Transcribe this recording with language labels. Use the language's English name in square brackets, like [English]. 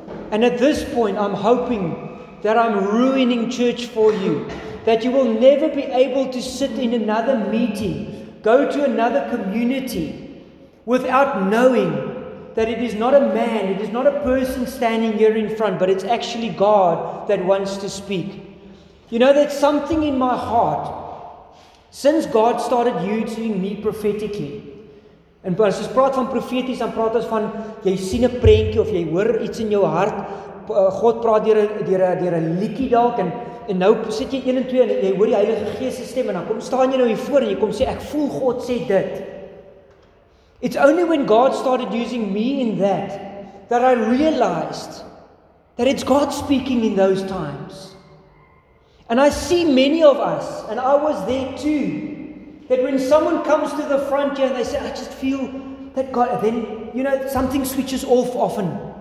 [English] And at this point, I'm hoping that I'm ruining church for you, that you will never be able to sit in another meeting, go to another community, without knowing that it is not a man, it is not a person standing here in front, but it's actually God that wants to speak. You know, that something in my heart, since God started using me prophetically, [Afrikaans] en as ons praat van profeties, dan praat ons van, jy sien 'n prentjie of jy hoor iets in jou hart, God praat deur 'n liedjie dalk, en nou sit jy 1 en 2 en jy hoor die Heilige Gees se stem, en dan kom staan jy nou hier voor en jy kom sê, ek voel God sê dit. [English] It's only when God started using me in that, that I realized that it's God speaking in those times. And I see many of us, and I was there too, that when someone comes to the front here and they say, I just feel that God, then, you know, something switches off often.